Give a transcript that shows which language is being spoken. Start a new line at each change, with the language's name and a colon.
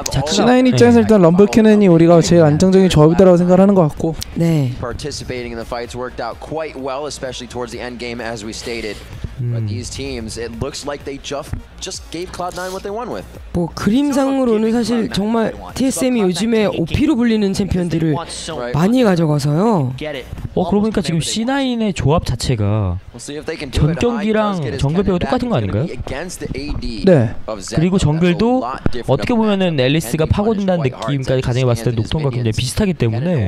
Korean: 신나인 입장에서 일단 럼블 캐넨이 우리가 제일 안정적인 조합이라고 생각하는 것 같고. 네.
English: Participating in the fights worked out quite well, especially towards the end game, as we stated. But these teams, it looks like they just gave Cloud9 what they won with.
Korean: 뭐 그림상으로는 사실 정말 TSM이 요즘에 OP로 불리는 챔피언들을 많이 가져가서요. 어, 그러고 보니까 지금 C9의 조합 자체가 전 경기랑 정글벽이 똑같은 거 아닌가요? 네. 그리고 정글도 어떻게 보면은 앨리스가 파고든다는 느낌까지 가정해봤을 때 녹턴과 굉장히 비슷하기 때문에